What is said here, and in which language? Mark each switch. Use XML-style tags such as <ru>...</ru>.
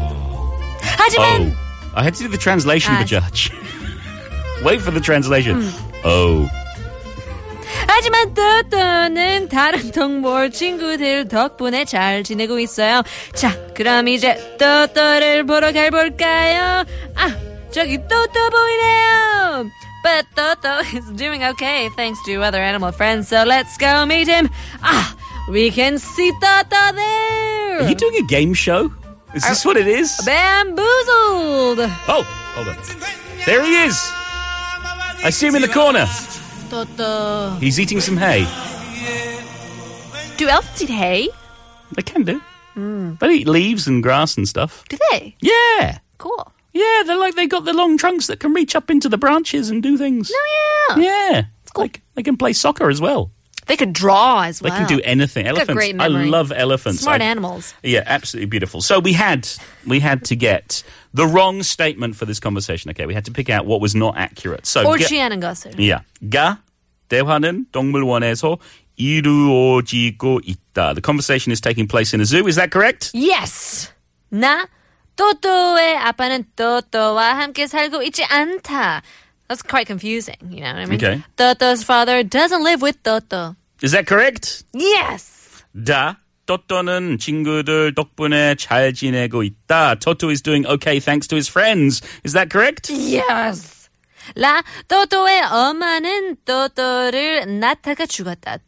<en>Oh, I had to do the translation, Bajaj. Wait for the translation. Oh.</en> <ko>하지만 또또는 다른 동물 친구들 덕분에 잘 지내고 있어요. 자, 그럼 이제 또또를 보러 가볼까요? 아, 저기 또또 보이네요.</ko> <en>But Toto is doing okay thanks to other animal friends, so let's go meet him. Ah, we can see Toto there. Are you doing a game show? Is this what it is? Bamboozled. Oh, hold on. There he is. I see him in the corner. Toto. He's eating some hay. Do elves eat hay? They can do. They eat leaves and grass and stuff. Do they? Yeah. Cool. Yeah, they've got the long trunks that can reach up into the branches and do things. No, yeah. Yeah. It's cool. They can play soccer as well. They could draw as well. They can do anything. Elephants. Got great memory. I love elephants. Smart animals. Yeah, absolutely beautiful. So we had to get the wrong statement for this conversation. Okay, we had to pick out what was not accurate. So,</en> <ko>옳지 않은 것을.</ko> <en>Yeah.</en> <ko>가 대화는 동물원에서 이루어지고 있다.</ko> <en>The conversation is taking place in a zoo. Is that correct? Yes.</en> <ko>나 또또의 아빠는 또또와 함께 살고 있지 않다.</ko> <en>That's quite confusing, you know what I mean? Okay. Toto's father doesn't live with Toto. Is that correct? Yes!</en> <ko>Da, Toto는 친구들 덕분에 잘 지내고 있다.</ko> <en>Toto is doing okay thanks to his friends. Is that correct? Yes.</en> <ko>라, Toto의 엄마는 Toto를 낳다가 죽었다.</ko>